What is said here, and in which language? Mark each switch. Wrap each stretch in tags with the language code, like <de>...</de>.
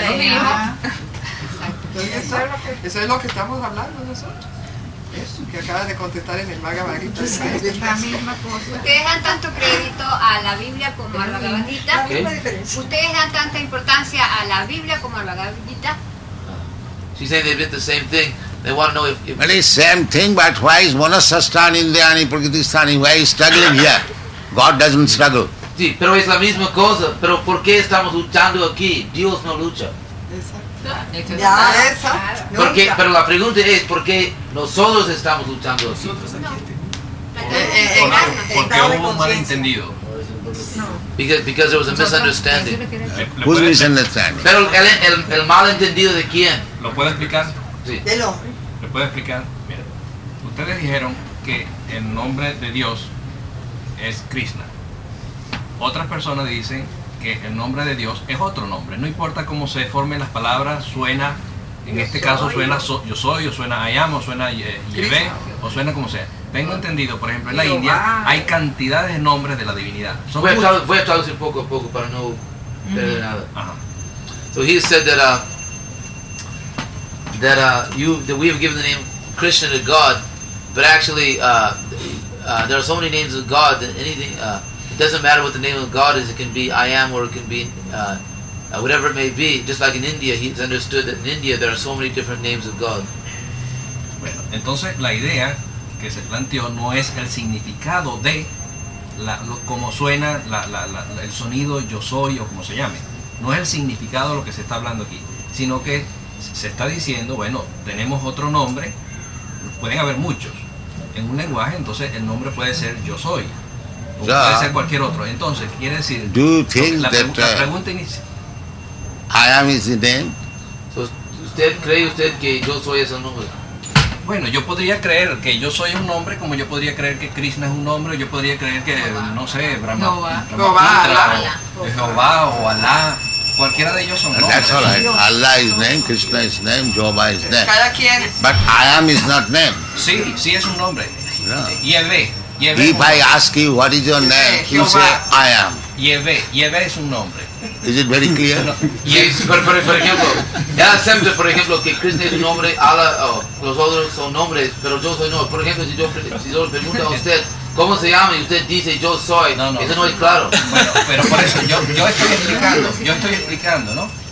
<es>Ahí está. Eso es lo que estamos hablando, ¿no? Que acaba de contestar en el Bhagavad Gita. Sí, es la misma cosa. Ustedes dan tanto crédito a la Biblia como al Bhagavad Gita. ¿Qué? Ustedes dan tanta importancia a la Biblia como al Bhagavad Gita.</es> <en>She's saying they've got the same thing. They want to know if... Well, it's same thing, but why is</en> <sa>Manasasthani, Indriyani, Prakritisthani?</sa> <en>Why is struggling here? God doesn't struggle.</en> <es>Sí, pero es la misma cosa. Pero ¿por qué estamos luchando aquí? Dios no lucha. Ya, esa. Porque, pero la pregunta es, ¿por qué nosotros estamos luchando así? Porque hubo un malentendido.</es> <en>Because there was a misunderstanding. Who's misunderstanding?</en> <es>Pero el malentendido de quién? ¿Lo puedo explicar? Sí. ¿Lo puedo explicar? Mira, ustedes dijeron que el nombre de Dios es Krishna. Otras personas dicen que el nombre de Dios es otro nombre. No importa cómo se formen las palabras, suena, en este caso suena yo soy, o suena</es> <en>I am,</en> <es>o suena Yevé, o suena como sea. Tengo entendido, por ejemplo, en la India hay cantidades de nombres de la divinidad. Son voy a traducir poco a poco para no perder nada. Uh-huh.</es> <en>So he said that we have given the name Krishna to God, but actually there are so many names of God that anything it doesn't matter what the name of God is. It can be I am, or it can be whatever it may be. Just like in India, he's understood that in India there are so many different names of God.</en> <es>Bueno, entonces la idea que se planteó no es el significado de cómo suena el sonido yo soy o como se llame. No es el significado lo que se está hablando aquí, sino que se está diciendo, bueno, tenemos otro nombre, pueden haber muchos. En un lenguaje, entonces el nombre puede ser yo soy.</es> <en>Do you think that I am his name?</en> <es>So, ¿usted cree usted que yo soy ese nombre? Bueno, yo podría creer que yo soy un nombre, como yo podría creer que Krishna es un nombre, yo podría creer que, no sé, Brahma. Jehová, Jehová o Alá. Cualquiera de ellos son nombres.</es> <en>That's all right. Allah is name, Krishna is name, Jehová is name.</en> <es>Cada quien.</es> <en>But I am is not name.</en> <es>Sí, sí es un nombre.</es> <en>Yeah. If I ask you what is your name, you say I am.</en> <es>Yevé es un nombre.</es> <en>Is it very clear?</en> <es>Yes, por ejemplo, ya acepto, por ejemplo, que Krishna es un nombre, Allah, los otros son nombres, pero yo soy no. Por ejemplo, si yo pregunto a usted, ¿cómo se llama? Y usted dice, yo soy. No, eso no es claro. Bueno, pero por eso, yo estoy explicando, ¿no?</es>